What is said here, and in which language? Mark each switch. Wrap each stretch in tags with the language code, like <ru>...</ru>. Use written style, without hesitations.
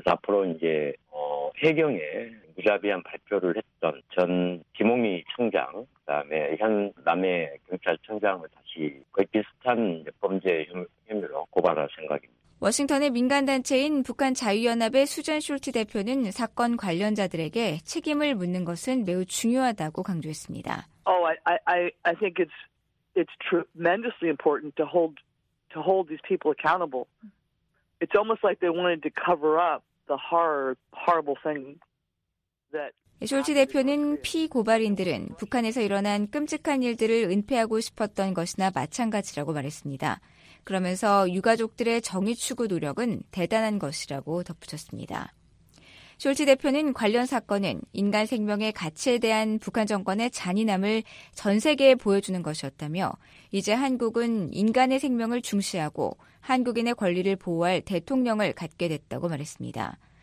<ko>앞으로 이제 해경에 무자비한 발표를 했던 전 김홍미 청장, 그다음에 현 남해 경찰청장을 다시 거의 비슷한 범죄 혐의로 고발할 생각입니다. 워싱턴의 민간단체인 북한자유연합의 수잔 숄트 대표는 사건 관련자들에게 책임을 묻는 것은 매우 중요하다고 강조했습니다.</ko> <en>I think it's tremendously important to hold these people accountable. It's almost like they wanted to cover up the horrible thing that</en> <ko>숄츠 대표는 피고발인들은 북한에서 일어난 끔찍한 일들을 은폐하고 싶었던 것이나 마찬가지라고 말했습니다. 그러면서 유가족들의 정의 추구 노력은 대단한 것이라고 덧붙였습니다. 숄츠 대표는 관련 사건은 인간 생명의 가치에 대한 북한 정권의 잔인함을 전 세계에 보여주는 것이었다며 이제 한국은 인간의 생명을 중시하고 한국인의 권리를 보호할 대통령을 갖게 됐다고 말했습니다.</ko>